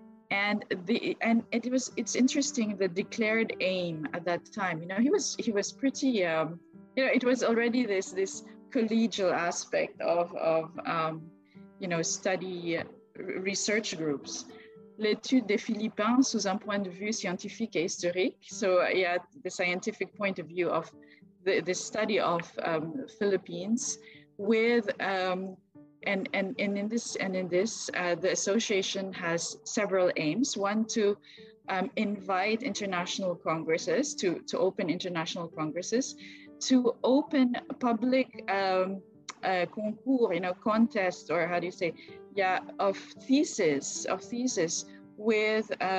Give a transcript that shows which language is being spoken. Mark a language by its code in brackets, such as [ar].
[en] It's interesting, the declared aim at that time, you know, he was pretty, you know, it was already this collegial aspect of you know, study research groups. [fr] L'étude des Philippins sous un point de vue scientifique et historique. [en] So yeah, the scientific point of view of the study of Philippines with and in this the association has several aims. One, to invite international congresses, to open international congresses, to open public concours, you know, contest, or how do you say, yeah, of thesis with